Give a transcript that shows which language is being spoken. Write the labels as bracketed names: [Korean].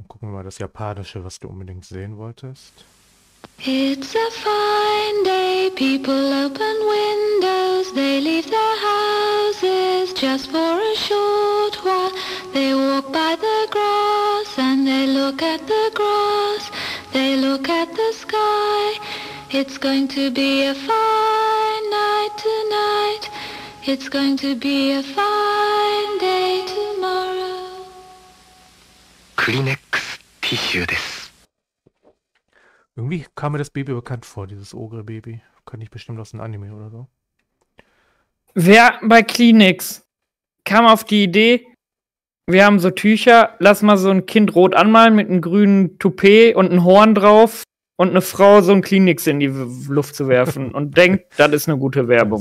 [German] Gucken wir mal das Japanische, was du unbedingt sehen wolltest. [English] It's a fine day, people open windows, they leave their houses just for a short while. They walk by the grass and they look at the grass, they look at the sky. It's going to be a fine night tonight, it's going to be a fine day tomorrow. [German] Kleenex-Tissue des. Irgendwie kam mir das Baby bekannt vor, dieses Ogre-Baby. Kann ich bestimmt aus einem Anime oder so. Wer bei Kleenex kam auf die Idee, wir haben so Tücher, lass mal so ein Kind rot anmalen mit einem grünen Toupet und einem Horn drauf und eine Frau so ein Kleenex in die Luft zu werfen und denkt, das ist eine gute Werbung.